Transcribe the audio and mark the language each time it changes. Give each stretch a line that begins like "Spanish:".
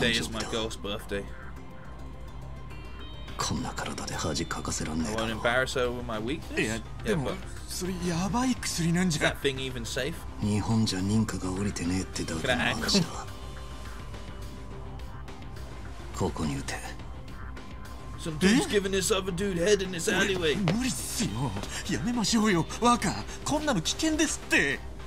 English: Today is my girl's birthday.
Japanese: こんな体で恥かかせらんねえだろ。
English: I won't embarrass her with my weakness?
Japanese: いや、でも…それやばい薬なんじゃ。日本じゃ認可が下りてねえってだけの話だ。ここに打て。
English: Some dude's giving this other dude head in this alleyway.
Japanese: 無理っすよ。やめましょうよ。若、こんなの危険ですって。